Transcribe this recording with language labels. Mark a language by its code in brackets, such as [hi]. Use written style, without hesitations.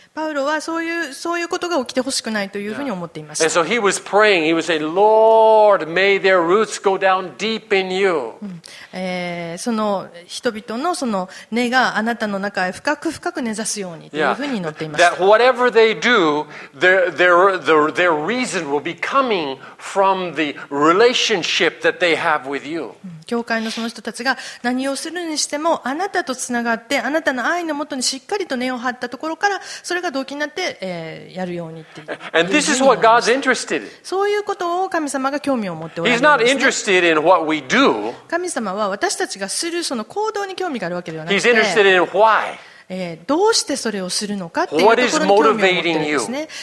[ja] パウロはそういうことが起きてほしくないというふうに思っていました。 [en] And so he was praying. He was saying, Lord, may their roots go down deep in you. [ja] その人々のその根があなたの中へ深く根ざすようにというふうに祈っていました。 [en] That whatever they do, their reason will be coming from the relationship that they have with you. [ja] 教会のその人たちが何をするにしてもあなたとつながってあなたの愛のもとにしっかりと根を張ったところからそれが動機になって、やるようにっていう。 [en] And this is what God's interested in. [ja] そういうことを神様が興味を持っておられ [en] る。He's not interested in what we do. [ja] 神様は私たちがするその行動に興味があるわけではなくて、 [en] He's interested in why. [ja] どうしてそれをするのかっていうところに興味を持ってるんですね。